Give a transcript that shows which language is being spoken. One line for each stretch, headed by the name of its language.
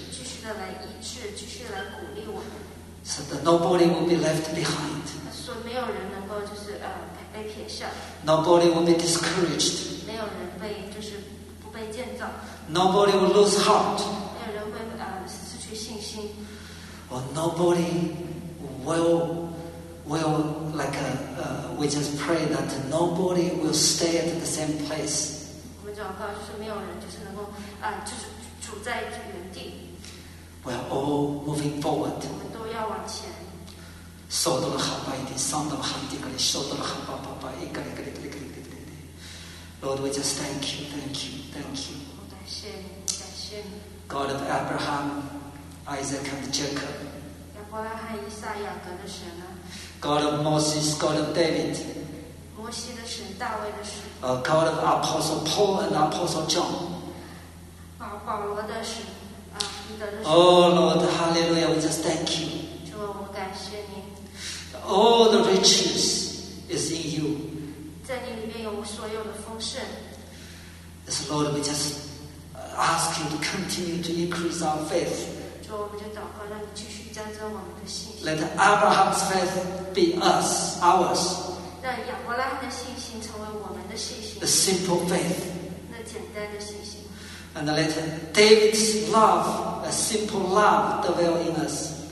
Chinese: 继续的来医治，继续来鼓励我们。
English: So that nobody will be left behind.
Chinese: 说没有人能够就是被撇下。
English: Nobody will be discouraged.
Chinese: 没有人被就是不被建造。
English: Nobody will lose heart.
Chinese: 没有人会失去信心。
English: Or nobody will we just pray that nobody will stay at the same place.
Chinese: 我们祷告就是没有人就是能够就是处在原地。
English: We are all moving forward.
Chinese: 我们都要往前。扫到了哈巴一点，扫到了哈迪格里，扫到了哈巴巴巴，一格里格里格里格里格里。
English: Lord, we just thank you, thank you, thank you.
Chinese: 感谢你，感谢你。
English: God of Abraham, Isaac, and Jacob.
Chinese: 亚伯拉罕、以撒、雅各的神啊。
English: God of Moses, God of David.
Chinese: 摩西的神，大卫的神。
English: God of Apostle Paul and Apostle John.
Chinese: 保罗的神。
English: Oh Lord, hallelujah, we just thank you.
Chinese: 主，我们感谢你。
English: All the riches is in you.
Chinese: 在你里面有所有的丰盛。
English: Yes, Lord, we just ask you to continue to increase our faith.
Chinese: 主，我们就祷告，让你继续加增我们的信心。
English: Let Abraham's faith be us, ours.
Chinese: 让亚伯拉罕的信心成为我们的信心。
English: A simple faith.
Chinese: 那简单的信心。
English: And let David's love, a simple love, dwell in us.